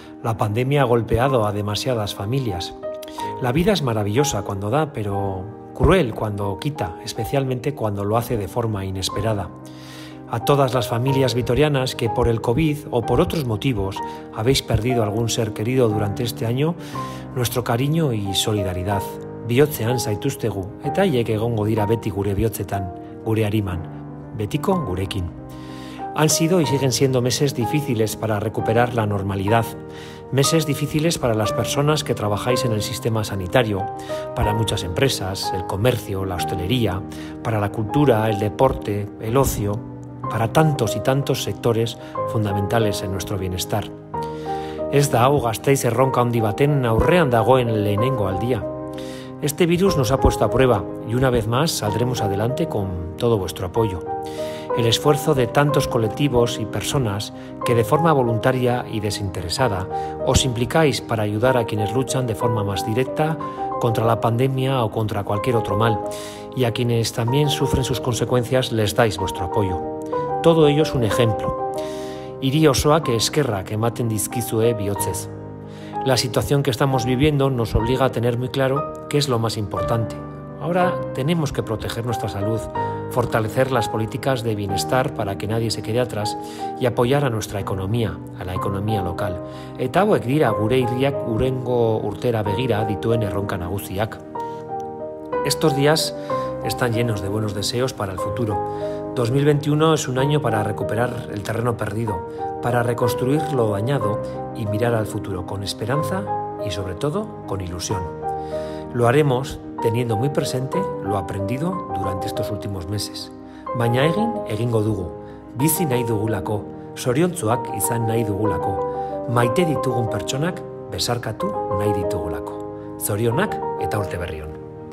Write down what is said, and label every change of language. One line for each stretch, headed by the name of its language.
Spanish: La pandemia ha golpeado a demasiadas familias. La vida es maravillosa cuando da, pero cruel cuando quita, especialmente cuando lo hace de forma inesperada. A todas las familias vitorianas que por el COVID o por otros motivos habéis perdido algún ser querido durante este año, nuestro cariño y solidaridad.
Basque: Bihotzean zaituztegu, eta haiek egongo dira beti gure bihotzetan, gure ariman, betiko gurekin.
Spanish: Han sido y siguen siendo meses difíciles para recuperar la normalidad, meses difíciles para las personas que trabajáis en el sistema sanitario, para muchas empresas, el comercio, la hostelería, para la cultura, el deporte, el ocio, para tantos y tantos sectores fundamentales en nuestro bienestar.
Basque: Ez da hau Gasteiz erronka handi baten aurrean dagoen lehenengo aldia.
Spanish: Este virus nos ha puesto a prueba y una vez más saldremos adelante con todo vuestro apoyo. El esfuerzo de tantos colectivos y personas que de forma voluntaria y desinteresada os implicáis para ayudar a quienes luchan de forma más directa contra la pandemia o contra cualquier otro mal y a quienes también sufren sus consecuencias les dais vuestro apoyo. Todo ello es un ejemplo.
Basque: Hiri osoak eskerrak ematen dizkizue bihotzez.
Spanish: La situación que estamos viviendo nos obliga a tener muy claro qué es lo más importante. Ahora tenemos que proteger nuestra salud, fortalecer las políticas de bienestar para que nadie se quede atrás y apoyar a nuestra economía, a la economía local.
Basque: Eta hauek dira gure irriak urengo urtera begira dituen erronka nagusiak.
Spanish: Estos días están llenos de buenos deseos para el futuro. 2021 es un año para recuperar el terreno perdido, para reconstruir lo dañado y mirar al futuro con esperanza y, sobre todo, con ilusión. Lo haremos teniendo muy presente lo aprendido durante estos últimos meses.
Basque: Baina egin egingo dugu, bizi nahi dugulako, soriontzuak izan nahi dugulako, maite ditugun pertsonak besarkatu nahi ditugulako. Zorionak eta urte berri on.